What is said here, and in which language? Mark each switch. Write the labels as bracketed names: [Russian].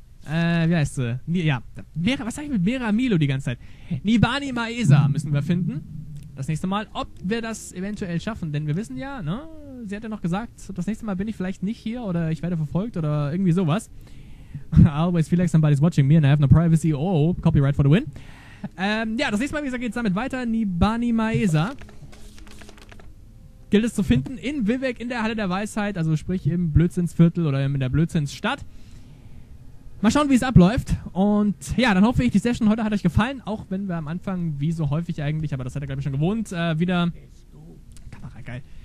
[German] wie heißt sie? Mera, was sag ich mit Mera, Milo die ganze Zeit? Nibani Maesa müssen wir finden. Das nächste Mal. Ob wir das eventuell schaffen, denn wir wissen ja, ne? Sie hat ja noch gesagt, das nächste Mal bin ich vielleicht nicht hier oder ich werde verfolgt oder irgendwie sowas. [English] I always feel like somebody's watching me and I have no privacy. Oh, copyright for the win. [German] Ja, das nächste Mal, wie gesagt, geht es damit weiter. Nibani Maesa. Gilt es zu finden in Vivek, in der Halle der Weisheit, also sprich im Blödsinnsviertel oder in der Blödsinnsstadt. Mal schauen, wie es abläuft. Und ja, dann hoffe ich, die Session heute hat euch gefallen, auch wenn wir am Anfang, wie so häufig eigentlich, aber das hat er, glaube ich, schon gewohnt, wieder... Kamera, geil.